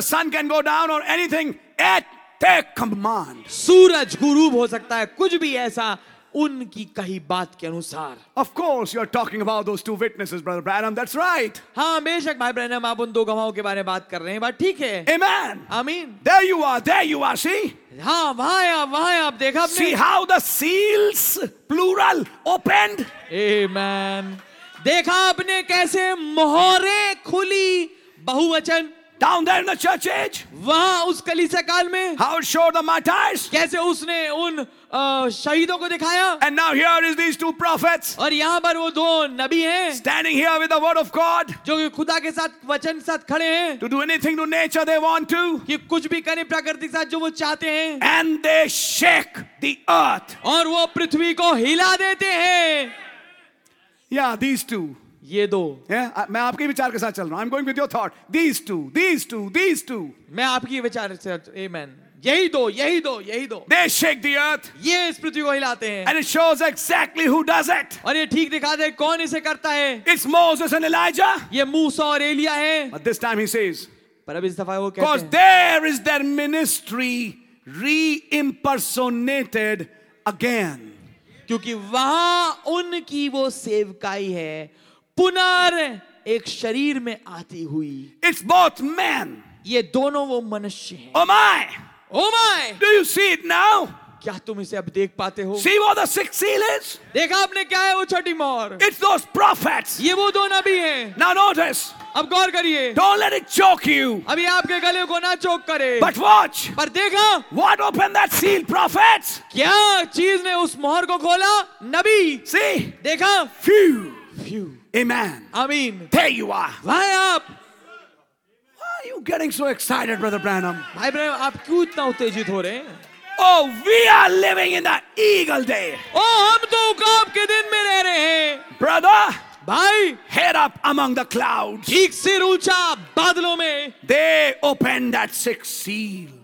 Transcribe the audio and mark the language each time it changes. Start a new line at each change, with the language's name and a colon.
English: The sun can go down on anything at their command.
Hindi: सूरज गुरूब हो सकता है कुछ भी ऐसा उनकी कही बात के अनुसार.
English: Of course, you are talking about those two witnesses, Brother Branham. That's right.
Hindi: हाँ, बेशक भाई ब्रैनम आप उन दो गवाहों के बारे में बात कर रहे हैं. बात ठीक है.
English: Amen. Amen. There you are. See.
Hindi: हाँ, वहाँ आप देखा आपने.
English: See how the seals, plural, opened. Amen.
Hindi: देखा आपने कैसे मोहरे खुली बहुवचन.
English: Down there in the church age.
Hindi: वहाँ उस कलीसिया काल में.
English: How it showed the martyrs.
Hindi: कैसे उसने उन शहीदों को दिखाया.
English: And now here is these two prophets.
Hindi: और यहाँ पर वो दो नबी हैं.
English: Standing here with the word of God.
Hindi: जो कि खुदा के साथ वचन साथ खड़े हैं.
English: To do anything to nature they want to.
Hindi: कि कुछ भी करें प्रकृति के साथ जो वो चाहते हैं.
English: And they shake the earth.
Hindi: और वो पृथ्वी को हिला देते हैं.
English: Yeah, these two.
Hindi: ये दो. Yeah, मैं आपके विचार के साथ चल रहा हूँ.
English: I'm going with your thought. These two.
Hindi: मैं आपके विचार से. Amen. यही दो.
English: They shake the earth.
Hindi: ये इस पृथ्वी को हिलाते हैं.
English: And it shows exactly who does it.
Hindi: और ये ठीक दिखा दे कौन इसे करता है.
English: It's Moses and Elijah.
Hindi: ये मूसा और एलिया हैं.
English: But this time he says.
Hindi: पर अब इस दफा वो कहते हैं.
English: Because there is their ministry re-impersonated again.
Hindi: क्योंकि वहां उनकी वो सेवकाई है पुनर एक शरीर में आती हुई.
English: It's both men.
Hindi: ये दोनों वो मनुष्य हैं.
English: Oh my! Oh my! Do you see it now?
Hindi: क्या तुम इसे अब देख पाते हो?
English: See what the sixth seal is?
Hindi: देखा आपने क्या है वो छठी मोहर?
English: It's those prophets.
Hindi: ये वो दो नबी हैं.
English: Now notice.
Hindi: अब गौर करिए.
English: Don't let it choke you.
Hindi: अभी आपके गले को ना चोक करे.
English: But watch.
Hindi: पर देखा.
English: What opened that seal, prophets?
Hindi: क्या चीज ने उस मोहर को खोला? नबी.
English: See.
Hindi: देखा.
English: Few. Few. Amen. Amen. There you are. Why up? Why are you getting so excited, Brother Branham?
Hindi: भाई ब्रह्म आप क्यों इतना उत्तेजित हो रहे हैं?
English: Oh, we are living in the eagle day.
Hindi: Oh, हम तो उकाब के दिन में रह रहे हैं.
English: Brother.
Hindi: भाई.
English: Head up among the clouds.
Hindi: ठीक से ऊंचा बादलों में.
English: They opened that sixth seal.